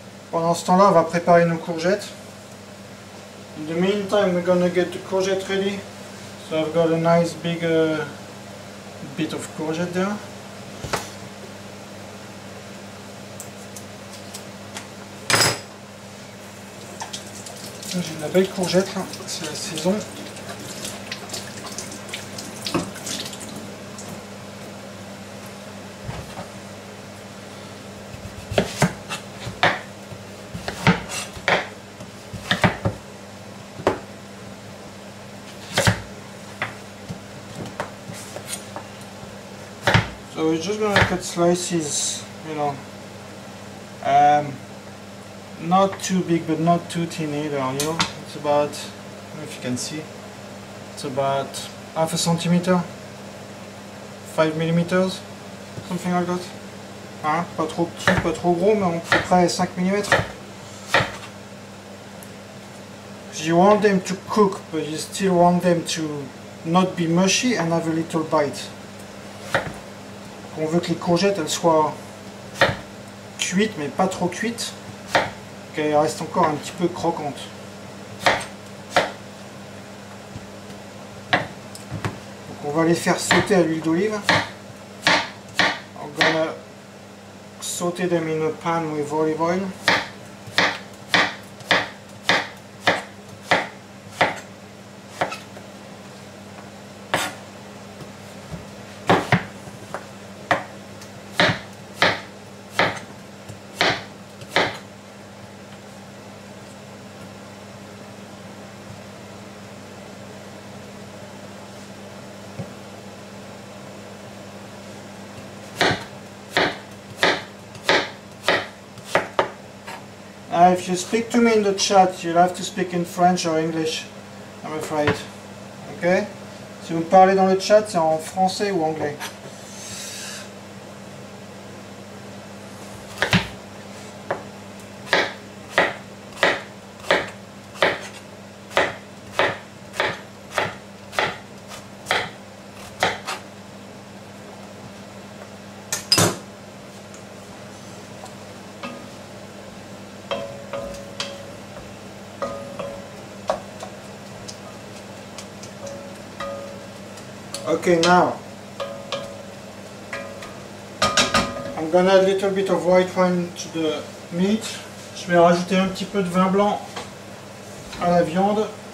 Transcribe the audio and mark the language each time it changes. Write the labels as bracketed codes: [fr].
[fr] Pendant ce temps-là, on va préparer nos courgettes. [en] In the meantime, we're gonna get the courgette ready. So I've got a nice big bit of courgette there. [fr] J'ai de la belle courgette, c'est la saison. [en] So we're just gonna cut slices, you know. Not too big, but not too thin either, you know, it's about, I don't know if you can see, it's about half a centimeter, 5 millimeters, something like that. Hein? [fr] Pas trop petit, pas trop gros, mais à peu près 5 millimeters. [en] You want them to cook, but you still want them to not be mushy and have a little bite. [fr] On veut que les courgettes, elles soient cuites, mais pas trop cuites. Qu'elle reste encore un petit peu croquante. Donc on va les faire sauter à l'huile d'olive. [en] I'm gonna saute them in a pan with olive oil. If you speak to me in the chat, you'll have to speak in French or English, I'm afraid. Okay? [fr] Si vous parlez dans le chat, c'est en français ou anglais. [en] Okay, now I'm gonna add a little bit of white wine to the meat. [fr] Je vais rajouter un petit peu de vin blanc à la viande.